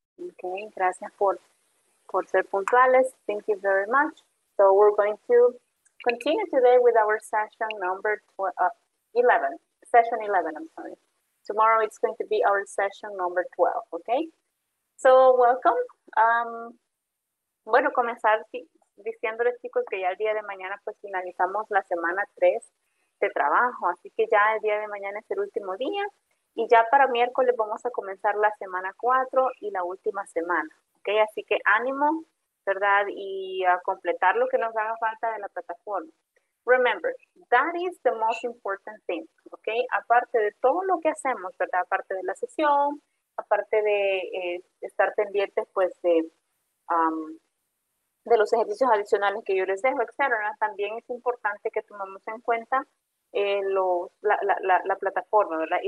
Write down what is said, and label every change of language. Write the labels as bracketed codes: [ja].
[en] Okay, gracias por ser puntuales. Thank you very much. So we're going to continue today with our session number 11. Session 11, I'm sorry. Tomorrow it's going to be our session number 12, okay? So, welcome. [es] Bueno, comenzar diciéndoles, chicos, que ya el día de mañana pues finalizamos la semana 3 de trabajo. Así que ya el día de mañana es el último día. Y ya para miércoles vamos a comenzar la semana 4 y la última semana, okay? Así que ánimo, ¿verdad? Y a completar lo que nos haga falta de la plataforma. [en] Remember, that is the most important thing, ¿okay? [es] Aparte de todo lo que hacemos, ¿verdad? Aparte de la sesión, aparte de estar pendientes, pues, de los ejercicios adicionales que yo les dejo, etcétera, también es importante que tomemos en cuenta la plataforma, ¿verdad?